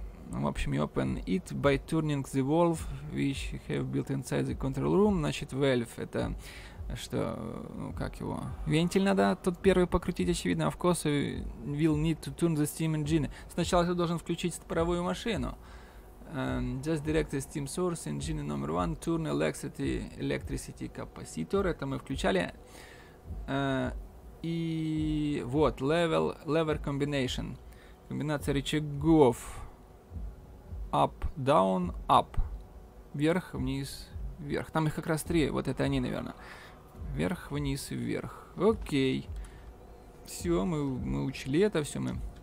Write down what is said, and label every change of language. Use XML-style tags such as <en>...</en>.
<ru>В общем,</ru> <en>you open it by turning the valve, which have built inside the control room.</en> <ru>Значит, valve — это что, ну, как его? Вентиль надо тот первый покрутить, очевидно.</ru> <en>Of course, you will need to turn the steam engine.</en> <ru>Сначала ты должен включить паровую машину.</ru> <en>Just direct the steam source, engine number one, turn electricity capacitor.</en> <ru>Это мы включали. И вот,</ru> <en>lever combination.</en> <ru>Комбинация рычагов.</ru> <en>Up, down, up.</en> <ru>Вверх, вниз, вверх. Там их как раз три. Вот это они, наверное. Вверх, вниз, вверх. Окей. Все, мы учили это все. Мы...</ru>